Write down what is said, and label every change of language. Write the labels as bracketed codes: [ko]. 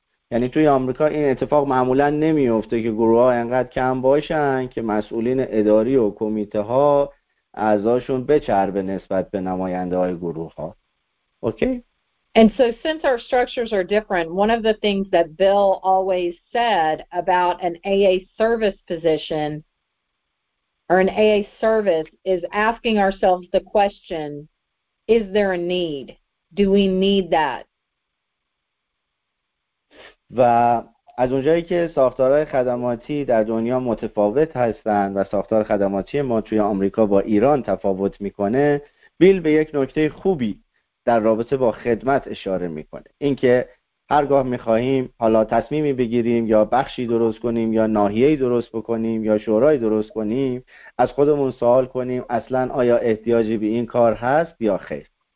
[fa] یعنی توی آمریکا این اتفاق معمولا نمیفته که گروه ها اینقدر کم باشن که مسئولین اداری و کمیته ها اعضاشون بچربه نسبت به نماینده های گروه ها. اوکی؟ [en] And so since our structures are different, one of the things that Bill always said about an AA service position or an AA service is asking ourselves the question, is there a need? Do we need that? [fa] و از اونجایی که ساختارهای خدماتی در دنیا متفاوت هستند و ساختار خدماتی ما توی آمریکا با ایران تفاوت میکنه، بیل به یک نکته خوبی در رابطه با خدمت اشاره میکنه. اینکه هرگاه میخواهیم حالا تصمیمی بگیریم یا بخشی درست کنیم یا ناحیه‌ای درست بکنیم یا شورای درست کنیم، از خودمون سوال کنیم اصلا آیا احتیاجی به این کار هست یا خیر.